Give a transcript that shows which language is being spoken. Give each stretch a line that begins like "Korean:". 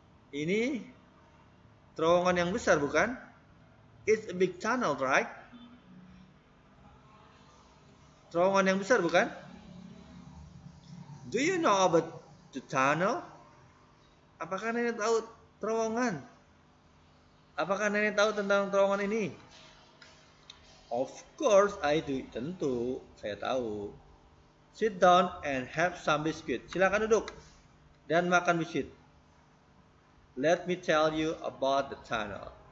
Indonesian: Ini terowongan yang besar, bukan?
English: It's a big tunnel, right?
Indonesian: Terowongan yang besar, bukan?
English: Do you know about the tunnel?
Indonesian: Apakah nenek tahu terowongan? Apakah nenek tahu tentang terowongan ini?
English: Of course I do.
Indonesian: Tentu, saya tahu.
English: Sit down and have some biscuit.
Indonesian: Silakan duduk dan makan biskuit.
English: Let me tell you about the tunnel.